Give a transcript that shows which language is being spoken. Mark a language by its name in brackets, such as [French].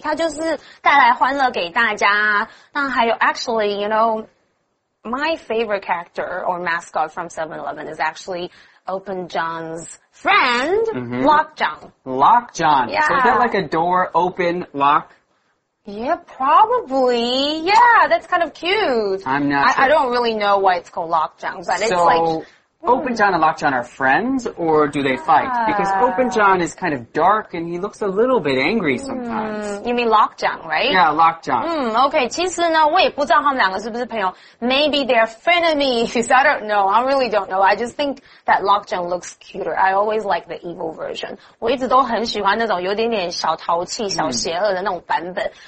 [Chinese] 他就是带来欢乐给大家。那还有 [English] actually, you know, my favorite character or mascot from 7-Eleven is actually Open John's friend,、mm-hmm. Lock John. Lock John. Yeah. So is that like a door open, lock? Yeah, probably. Yeah, that's kind of cute. I'm not sure. I don't really know why it's called Lock John, but it's like... Open John and Lock John are friends, or do they fight? Because Open John is kind of dark, and he looks a little bit angry sometimes. You mean Lock John, right? Yeah, Lock John. Okay, [Chinese] 其实呢，我也不知道他们两个是不是朋友。 [English] Maybe they're frenemies. I don't know. I really don't know. I just think that Lock John looks cuter. I always like the evil version. [Chinese] 我一直都很喜欢那种有点点小淘气、小邪恶的那种版本。